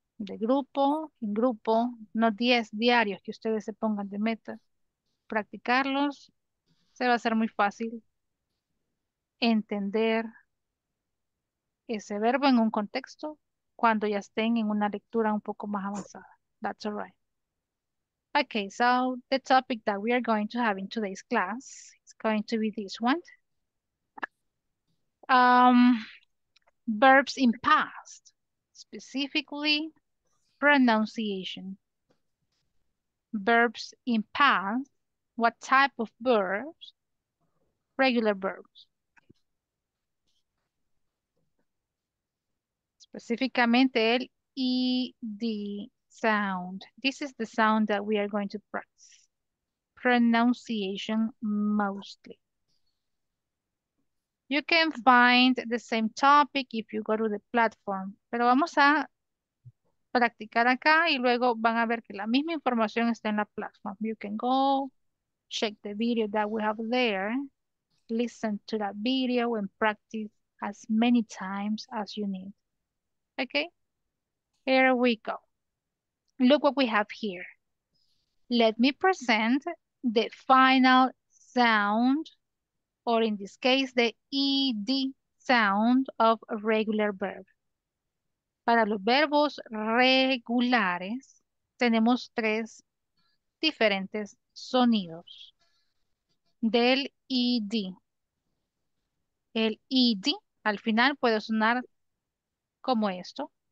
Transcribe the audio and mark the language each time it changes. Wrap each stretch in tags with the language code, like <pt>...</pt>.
<es>de grupo en grupo, no 10 diarios que ustedes se pongan de meta, practicarlos, se va a hacer muy fácil entender ese verbo en un contexto cuando ya estén en una lectura un poco más avanzada.</es> <en>That's all right. Okay, so the topic that we are going to have in today's class is going to be this one. Verbs in past, specifically pronunciation. Verbs in past, what type of verbs? Regular verbs.</en> <es>Específicamente el ed sound.</es> <en>This is the sound that we are going to practice. Pronunciation mostly. You can find the same topic if you go to the platform.</en> <es>Pero vamos a practicar acá y luego van a ver que la misma información está en la plataforma.</es> <en>You can go check the video that we have there. Listen to that video and practice as many times as you need. Okay? Here we go. Look what we have here. Let me present the final sound, or in this case, the ED sound of a regular verb.</en> <es>Para los verbos regulares, tenemos tres diferentes sonidos del ED. El ED al final puede sonar como esto.</es>